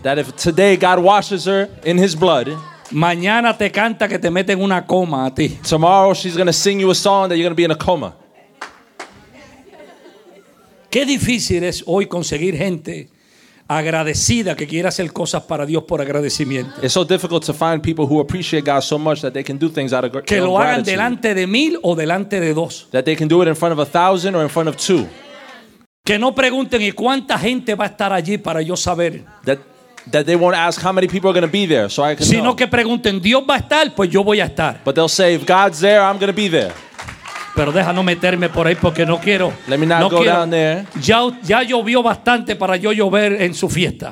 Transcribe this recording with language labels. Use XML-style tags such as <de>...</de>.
<en>That if today God washes her in his blood.</en> <es>Mañana te canta que te meten una coma a ti.</es> <en>Tomorrow she's going to sing you a song that you're going to be in a coma.</en> <es>Qué difícil es hoy conseguir gente agradecida que quiera hacer cosas para Dios por agradecimiento.</es> <en>It's so difficult to find people who appreciate God so much that they can do things out of gratitude.</en> <es>Que lo hagan delante de mil o delante de dos.</es> <en>That they can do it in front of 1,000 or in front of 2.</en> <es>Que no pregunten y cuánta gente va a estar allí para yo saber.</es> <en>That they won't ask how many people are going to be there so I can know.</en> <es>Sino que pregunten, Dios va a estar, pues yo voy a estar.</es> <en>But they'll say, if God's there, I'm going to be there.</en> <es>Pero deja no meterme por ahí porque no quiero.</es> <en>Let me not</en> <es>no</es> <en>go</en> <es>quiero.</es> <en>Down there.</en> <es>Ya llovió bastante para yo llover en su fiesta.</es>